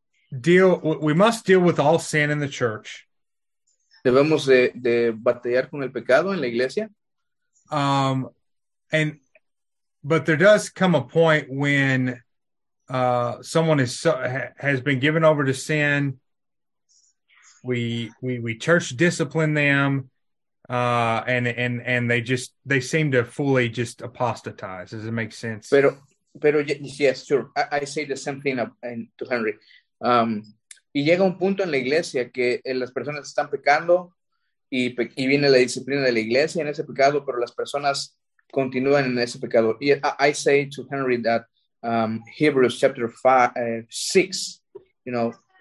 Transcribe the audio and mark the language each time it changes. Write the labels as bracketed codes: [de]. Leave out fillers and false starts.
[en] We must deal with all sin in the church. [es] Debemos de batallar con el pecado en la iglesia. [en] But there does come a point when someone has been given over to sin. We church discipline them, and they seem to fully just apostatize. Does it make sense? [es] Pero [en] yes, sure. I say the same thing to Henry. [es] Y llega un punto en la iglesia que las personas están pecando y viene la disciplina de la iglesia en ese pecado, pero las personas continúan en ese pecado. Y [en] I say to Henry that Hebrews chapter 6, you know.